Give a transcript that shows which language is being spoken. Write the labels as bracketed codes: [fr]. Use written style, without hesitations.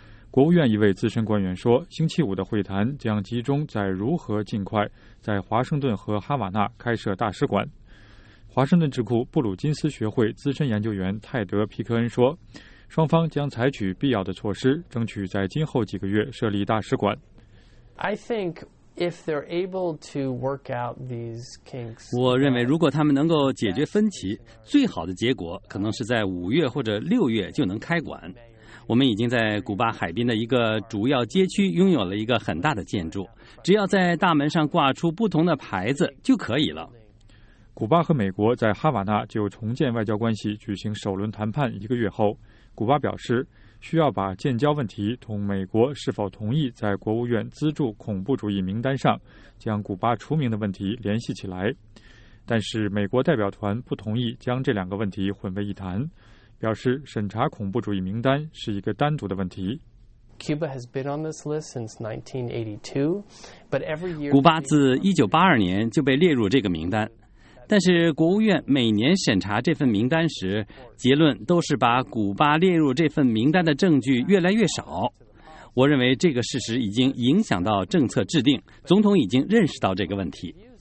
[zh] 国务院一位资深官员说，星期五的会谈将集中在如何尽快在华盛顿和哈瓦那开设大使馆。华盛顿智库布鲁金斯学会资深研究员泰德·皮克恩说，双方将采取必要的措施，争取在今后几个月设立大使馆。 [en] I think if they're able to work out these kinks, [zh] 我认为如果他们能够解决分歧，最好的结果可能是在五月或者六月就能开馆。我们已经在古巴海滨的一个主要街区拥有了一个很大的建筑，只要在大门上挂出不同的牌子就可以了。古巴和美国在哈瓦那就重建外交关系举行首轮谈判一个月后，古巴表示需要把建交问题同美国是否同意在国务院资助恐怖主义名单上将古巴除名的问题联系起来，但是美国代表团不同意将这两个问题混为一谈，表示审查恐怖主义名单是一个单独的问题。 [en] Cuba has been on this list since 1982, but every year. [zh] 古巴自1982年就被列入这个名单，但是国务院每年审查这份名单时，结论都是把古巴列入这份名单的证据越来越少。我认为这个事实已经影响到政策制定，总统已经认识到这个问题。